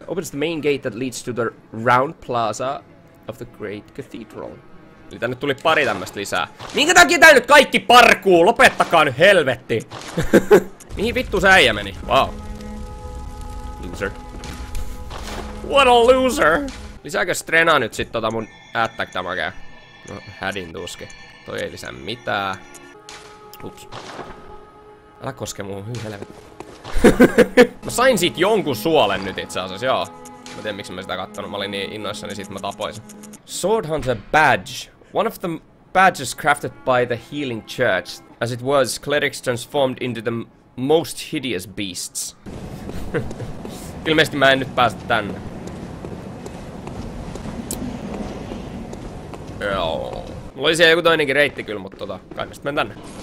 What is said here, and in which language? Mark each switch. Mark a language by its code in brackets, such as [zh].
[en] Opens the main gate that leads to the round plaza of the great cathedral. [fi] Eli tänne tuli pari tämmöstä lisää. Minkä takia tää nyt kaikki parkuu? Lopettakaa nyt helvetti! Mihin vittu se äijä meni? [en] Wow. Loser. What a loser! [fi] Lisääkö Strena nyt sit tota mun attack damagea? No, hädin tuske. Toi ei lisää mitään. Ups. Älä koske muuhun, hyi helvetti. Mä sain siit jonkun suolen nyt itseasiassa, joo. Mä tiedän miksi mä sitä kattonut, mä olin niin innoissani, sit mä tapoisin. [en] Sword Hunter Badge. One of the badges crafted by the Healing Church. As it was, clerics transformed into the most hideous beasts. [fi] Ilmeisesti mä en nyt päästä tänne. Joo. Mulla oli siellä joku toinenkin reitti kyllä, mutta tota, kai mä sit menen tänne.